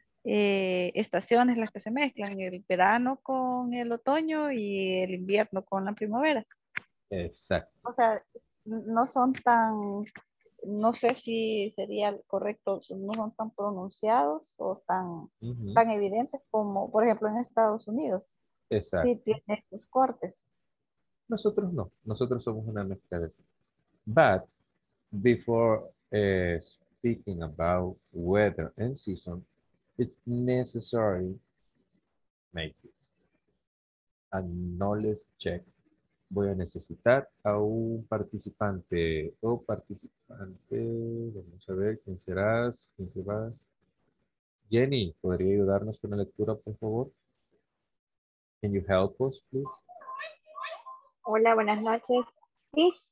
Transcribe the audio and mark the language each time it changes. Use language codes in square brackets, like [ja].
[es] estaciones las que se mezclan, el verano con el otoño y el invierno con la primavera. Exacto. O sea, no son tan, no sé si sería correcto, no son tan pronunciados o tan evidentes como, por ejemplo, en Estados Unidos, si Exacto. tiene estos cortes. Nosotros no, nosotros somos una mezcla de. [en] But before speaking about weather and season, it's necessary make this a knowledge check. [es] Voy a necesitar a un participante o participante. Vamos a ver quién serás, quién se va. Jenny, ¿podría ayudarnos con la lectura, por favor? [en] Can you help us, please? [es] Hola, buenas noches. Sí.